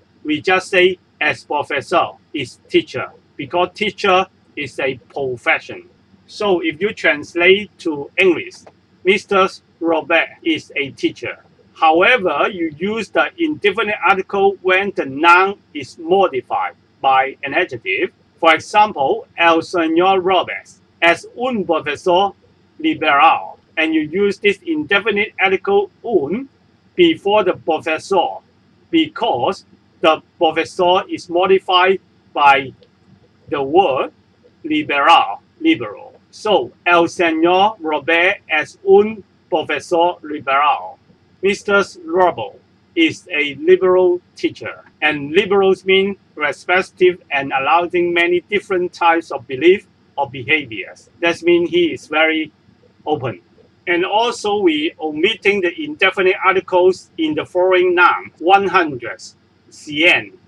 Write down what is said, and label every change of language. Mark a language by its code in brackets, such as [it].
[en] We just say [es] es profesor, [en] is teacher, because teacher is a profession. So if you translate to English, Mr. Robert is a teacher. However, you use the indefinite article when the noun is modified by an adjective. For example, [es] el señor Robert es un profesor liberal. [en] And you use this indefinite article un before the profesor, because the profesor is modified by the word liberal, liberal. [es] So, el señor Robert es un profesor liberal. [en] Mr. Robo is a liberal teacher, and liberals mean respective and allowing many different types of belief or behaviors. That means he is very open. And also we omitting the indefinite articles in the following noun, 100, cien,